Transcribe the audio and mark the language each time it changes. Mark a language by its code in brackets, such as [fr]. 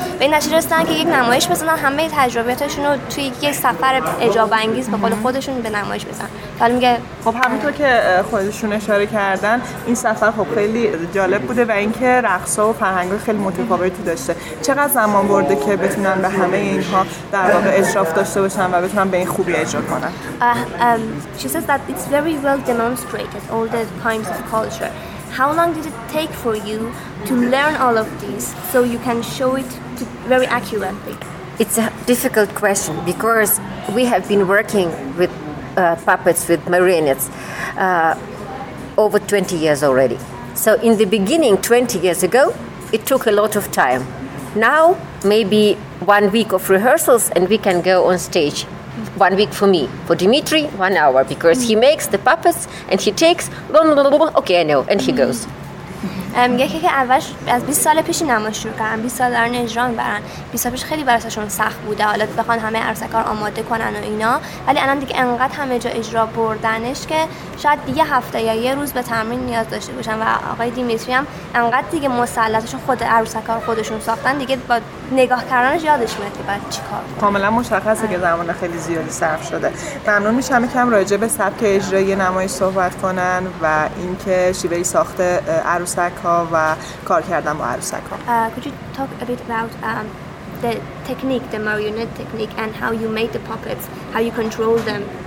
[fa] به این نتیجه رسیدن که یک نمایش بزنن، همه تجربیاتشون رو توی یک سفر اجاب‌انگیز به قول خودشون به نمایش بزنن. حالا میگه خب همونطور که خودشون اشاره کردن، این سفر خب خیلی جالب بوده و اینکه رقص‌ها و فرهنگ‌ها خیلی متفاوتی داشته. چقدر زمان برده که بتونن به همه اینها در واقع اشراف داشته باشن و بتونن به این خوبی اجرا کنن؟ [en] She says that it's very well demonstrated, all the kinds of culture. How long did it take for you to learn all of these so you can show it to very accurately? It's a difficult question because we have been working with puppets, with marionettes, over 20 years already. So in the beginning, 20 years ago, it took a lot of time. Now, maybe 1 week of rehearsals and we can go on stage. 1 week for me, for Dimitri, 1 hour, because he makes the puppets and he takes, okay, I know, and he goes. [fa] میگه که اولش از 20 سال پیش نمایش شروع کردن، 20 سال دارن اجرا میبرن. 20 سال پیش خیلی براشون سخت بوده حالا بخوان همه عروسک‌ها رو آماده کنن و اینا، ولی الان دیگه انقدر همه جا اجرا بردنش که شاید دیگه هفته یا یه روز به تمرین نیاز داشته باشن. و آقای دیمیتری هم انقدر دیگه مسلطشون، خود عروسک‌ها رو خودشون ساختن، دیگه با نگاه کردنش یادش میاد که بعد چیکار کنه. کاملا مشخصه که زمان خیلی زیادی صرف شده. ممنون میشم یکم راجع به سبک اجرای نمایش صحبت کنن و اینکه شیوه ساخت عروسک و کار کردن با عروسک ها. [en] Could you talk a bit about the technique, the marionette technique, and how you made the puppets, how you control them?